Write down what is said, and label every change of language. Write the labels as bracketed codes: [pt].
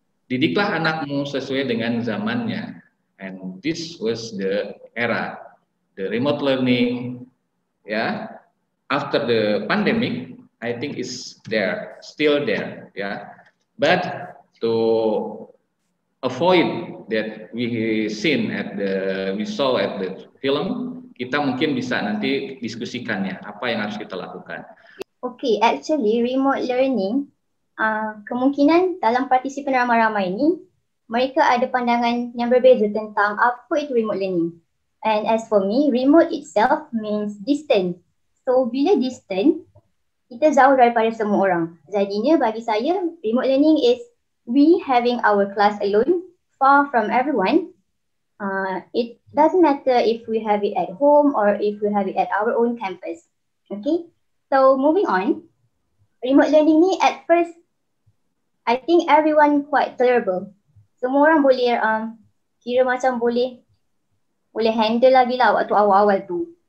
[ms] Didiklah anakmu sesuai dengan zamannya. [en] And this was the era, the remote learning ya. Yeah. After the pandemic, I think it's there, still there, yeah. But to avoid that we saw at the film, [ms] kita mungkin bisa nanti diskusikannya, apa yang harus kita lakukan. [en] Okay, actually [ms] remote learning, kemungkinan dalam partisipan ramai-ramai ini, mereka ada pandangan yang berbeza tentang apa itu remote learning. [en] And as for me, remote itself means distant. [ms] So, bila distant, kita jauh daripada semua orang. Jadinya bagi saya, [en] remote learning is we having our class alone, far from everyone. It doesn't matter if we have it at home or if we have it at our own campus. Okay, so moving on. Remote learning ni at first, I think everyone quite tolerable. [ms] Semua orang boleh kira macam boleh handle lagi lah waktu awal-awal tu.